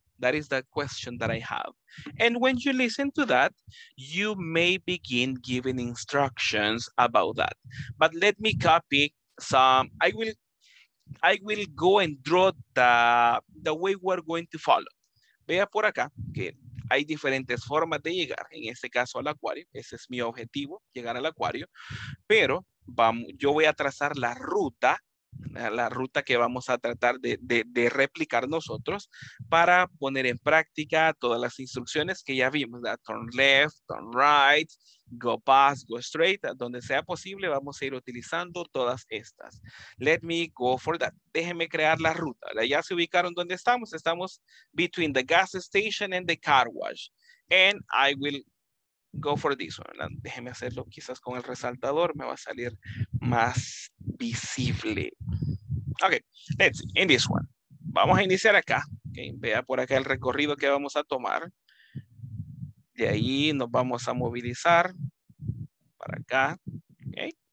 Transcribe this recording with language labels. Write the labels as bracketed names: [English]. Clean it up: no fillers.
[English] That is the question that I have. And when you listen to that, you may begin giving instructions about that. But let me copy some. I will go and draw the way we're going to follow. [Spanish] Vea por acá que hay diferentes formas de llegar. En este caso al acuario. Ese es mi objetivo, llegar al acuario. Pero vamos, yo voy a trazar la ruta que vamos a tratar de replicar nosotros para poner en práctica todas las instrucciones que ya vimos, ¿verdad? [English] Turn left, turn right, go past, go straight, [Spanish] donde sea posible vamos a ir utilizando todas estas. [English] Let me go for that. [Spanish] Déjenme crear la ruta. Ya se ubicaron donde estamos. Estamos [English] between the gas station and the car wash. And I will go for this one. [Spanish] Déjeme hacerlo quizás con el resaltador, me va a salir más visible. [English] Okay, let's see. In this one. [Spanish] Vamos a iniciar acá. Okay, vea por acá el recorrido que vamos a tomar. De ahí nos vamos a movilizar para acá. Okay.